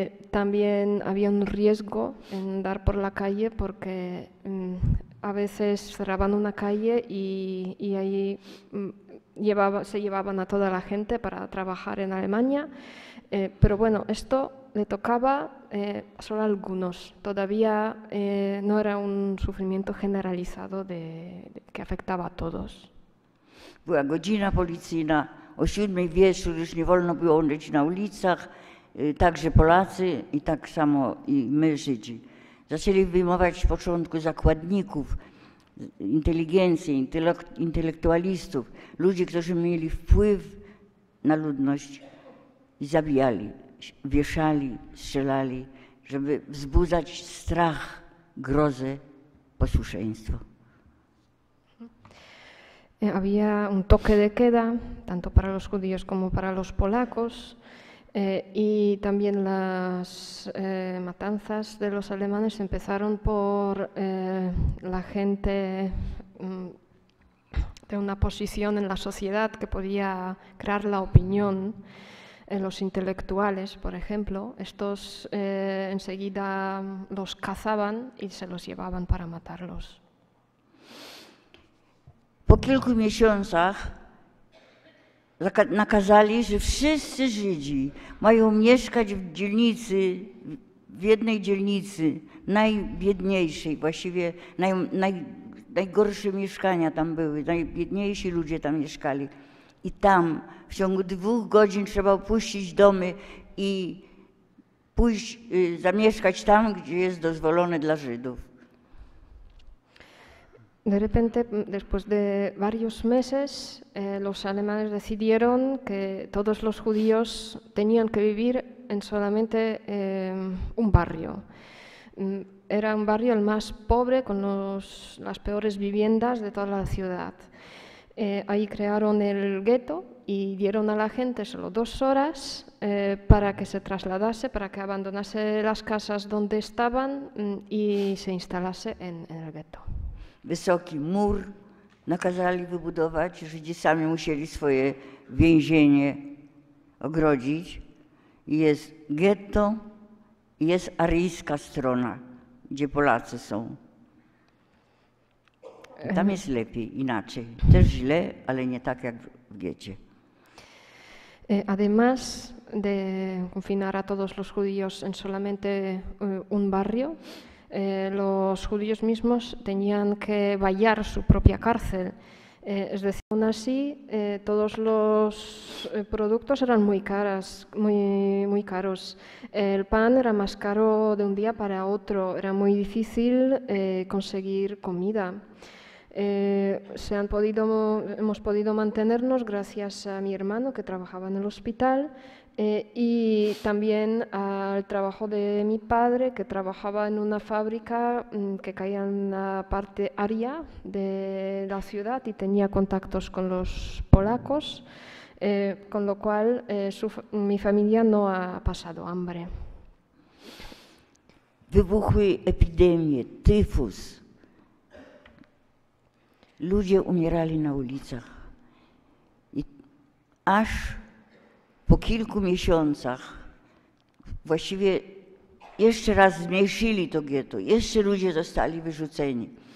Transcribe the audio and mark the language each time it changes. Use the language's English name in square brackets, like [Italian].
[Spanish] También había un riesgo en andar por la calle porque a veces cerraban una calle y ahí se llevaban a toda la gente para trabajar en Alemania. Pero bueno, esto le tocaba solo a algunos. Todavía no era un sufrimiento generalizado que afectaba a todos. [Polish] Była godzina policyjna, o 7 wieczór już nie wolno było chodzić na ulicach, także Polacy i tak samo i my Żydzi. Zaczęli wyjmować w początku zakładników, inteligencję, intelektualistów, ludzi, którzy mieli wpływ na ludność i zabijali, wieszali, strzelali, żeby wzbudzać strach, grozę, posłuszeństwo. [Spanish] Había un toque de queda, tanto para los judíos como para los polacos. Y también las matanzas de los alemanes empezaron por la gente de una posición en la sociedad que podía crear la opinión, los intelectuales, por ejemplo. Estos enseguida los cazaban y se los llevaban para matarlos. [Polish] Po kilku miesiącach nakazali, że wszyscy Żydzi mają mieszkać w dzielnicy, w jednej dzielnicy, najbiedniejszej, właściwie najgorsze mieszkania tam były, najbiedniejsi ludzie tam mieszkali. I tam w ciągu 2 godzin trzeba opuścić domy i pójść, zamieszkać tam, gdzie jest dozwolone dla Żydów. [Spanish] De repente, después de varios meses, los alemanes decidieron que todos los judíos tenían que vivir en solamente un barrio. Era un barrio el más pobre, con las peores viviendas de toda la ciudad. Ahí crearon el gueto y dieron a la gente solo 2 horas para que se trasladase, para que abandonase las casas donde estaban y se instalase en el gueto. [Polish] Wysoki mur nakazali wybudować, Żydzi sami musieli swoje więzienie ogrodzić. Jest getto i jest aryjska strona, gdzie Polacy są. Tam jest lepiej, inaczej. Też źle, ale nie tak jak w getcie. [Spanish] Además de confinar a todos los judíos en solamente un barrio, los judíos mismos tenían que vallar su propia cárcel. Es decir, aún así, todos los productos eran muy caros. El pan era más caro de un día para otro. Era muy difícil conseguir comida. Hemos podido mantenernos gracias a mi hermano, que trabajaba en el hospital, y también al trabajo de mi padre, que trabajaba en una fábrica que caía en la parte aria de la ciudad y tenía contactos con los polacos, con lo cual mi familia no ha pasado hambre. [Polish] Wybuchły epidemie, tyfus. Ludzie umierali na ulicach. I aż po kilku miesiącach właściwie jeszcze raz zmniejszyli to getto, jeszcze ludzie zostali wyrzuceni.